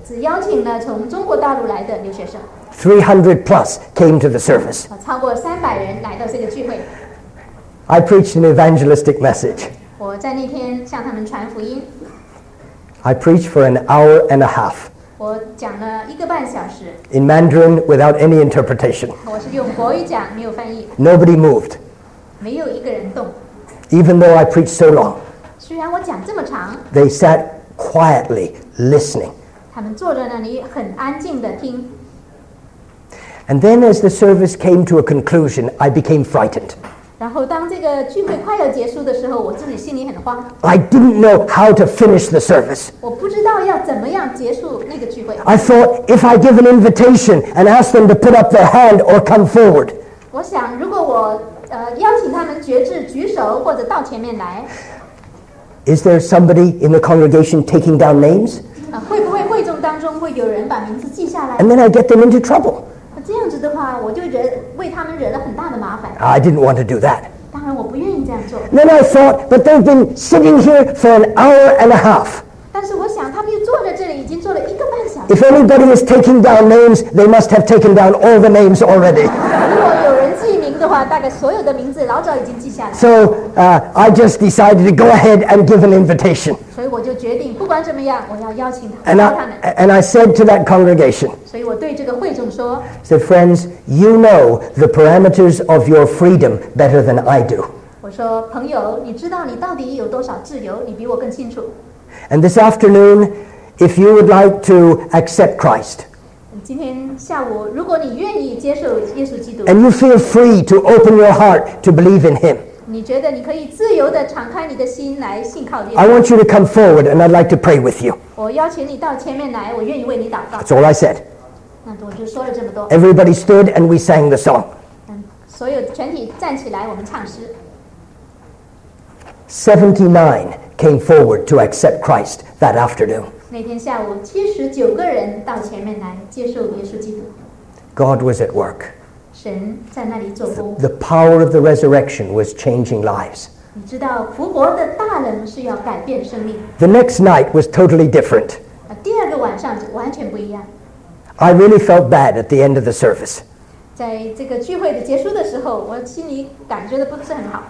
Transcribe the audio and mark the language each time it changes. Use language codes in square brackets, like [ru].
[zh] 只邀请了从中国大陆来的留学生。 [en] 300 plus came to the service. [zh] 超过300人来到这个聚会。 [en] I preached an evangelistic message. [zh] 我在那天向他们传福音。 [en] I preached for an hour and a half. [zh] 我讲了一个半小时。 [en] In Mandarin without any interpretation. [zh] 我是用国语讲，没有翻译。 [en] Nobody moved. [zh] 没有一个人动。 [en] Even though I preached so long. [zh] 虽然我讲这么长， [en] they sat quietly listening. [zh] 他们坐在那里很安静地听。 [en] And then as the service came to a conclusion, I became frightened. [zh] 然后当这个聚会快要结束的时候，我自己心里很慌。 [en] I didn't know how to finish the service. [zh] 我不知道要怎么样结束那个聚会。 [en] I thought if I give an invitation and ask them to put up their hand or come forward. [zh] 我想如果我邀请他们觉知举手或者到前面来， [en] Is there somebody in the congregation taking down names? [zh] 会不会会众当中会有人把名字记下来？ [en] And then I get them into trouble. [zh] 这样子的话，我就为他们惹了很大的麻烦。 [en] I didn't want to do that. [zh] 当然我不愿意这样做。 [en] Then I thought, but they've been sitting here for an hour and a half. [zh] 但是我想他们又坐在这里已经坐了一个半小时。 [en] If anybody is taking down names, they must have taken down all the names already. [zh] 如果有人记名的话，他们应该已经记了所有的名字了。话，大概所有的名字老早已经记下来。 [en] So, I just decided to go ahead and give an invitation. [zh] 所以我就决定，不管怎么样，我要邀请他们。 [en] And I said to that congregation. [zh] 所以我对这个会众说。 [en] Said, friends, you know the parameters of your freedom better than I do. [zh] 我说，朋友，你知道你到底有多少自由，你比我更清楚。 [en] And this afternoon, if you would like to accept Christ. [zh] 今天下午，如果你愿意接受耶稣基督 [en] ，and you feel free to open your heart to believe in Him， [zh] 你觉得你可以自由地敞开你的心来信靠耶稣。 [en] I want you to come forward, and I'd like to pray with you。 [zh] 我邀请你到前面来，我愿意为你祷告。 [en] That's all I said。 [zh] 那我就说了这么多。 [en] Everybody stood, and we sang the song。 [zh] 所有全体站起来，我们唱诗。 [en] 79 came forward to accept Christ that afternoon。 [zh] 那天下午，79个人到前面来接受耶稣基督。 [en] God was at work. [zh] 神在那里做工。 [en] The power of the resurrection was changing lives. [zh] 你知道复活的大能是要改变生命。 [en] The next night was totally different. [zh] 第二个晚上完全不一样。 [en] I really felt bad at the end of the service. [zh] 在这个聚会的结束的时候，我心里感觉的不是很好。